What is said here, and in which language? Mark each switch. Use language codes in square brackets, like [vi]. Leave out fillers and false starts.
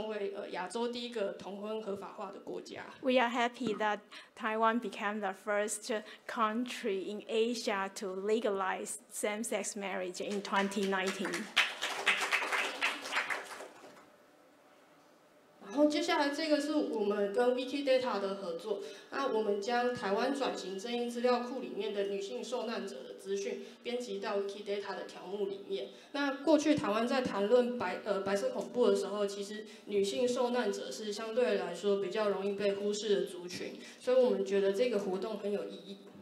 [zh] 愿意就是支持这个理念的人，就是都走上了街头。所以那一年，其实参加台湾同志游行的人数创下了历史新高。那我们也很高兴，在隔年2019年，台湾成为亚洲第一个同婚合法化的国家。We [en] are happy that Taiwan became the first country in Asia to legalize same-sex marriage in 2019. [zh] 然后接下来这个是我们跟 Wikidata 的合作。那我们将台湾转型正义资料库里面的女性受难者的资讯编辑到 Wikidata 的条目里面。那过去台湾在谈论白色恐怖的时候，其实女性受难者是相对来说比较容易被忽视的族群，所以我们觉得这个活动很有意义。